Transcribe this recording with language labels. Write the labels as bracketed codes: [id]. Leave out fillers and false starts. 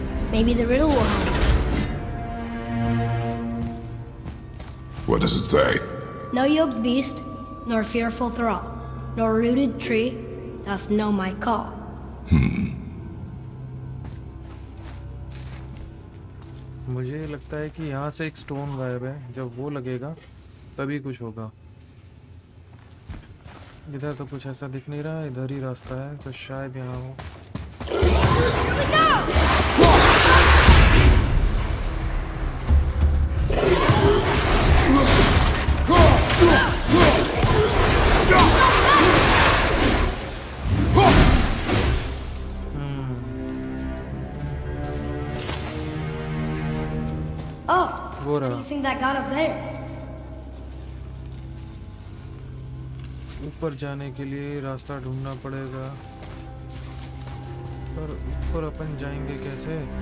[en] Maybe the riddle will help. What does it say? No yoked beast, nor fearful thrall, nor rooted tree doth know my call. [hi] मुझे लगता है कि यहाँ से एक stone गायब है जब वो लगेगा तभी कुछ होगा इधर तो कुछ ऐसा दिख नहीं रहा इधर ही रास्ता है तो शायद यहाँ हो [en] What do you think that got up there? [hi] ऊपर जाने के लिए रास्ता ढूंढना पड़ेगा। पर ऊपर अपन जाएंगे कैसे?